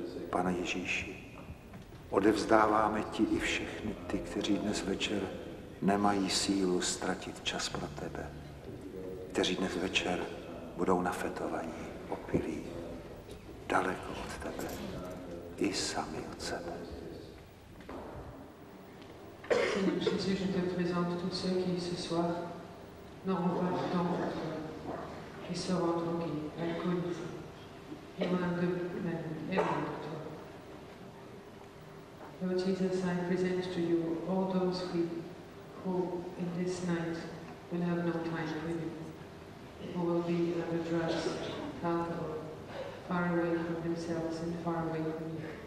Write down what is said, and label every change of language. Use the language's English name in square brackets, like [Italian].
[Czech] Pane Ježíši, odevzdáváme ti i všechny ty, kteří dnes večer nemají sílu ztratit čas pro tebe, kteří dnes večer budou nafetovaní, opilí, daleko od tebe i sami od sebe. [French] Seigneur, je te présente tous ceux qui ce soir n'auront pas le temps, qui seront drogués, alcoolisés, et loin de même, et loin de toi. [English] Lord Jesus, I present to you all those who in this night will have no time with you, who will be under drugs, alcohol, far away from themselves and far away from you.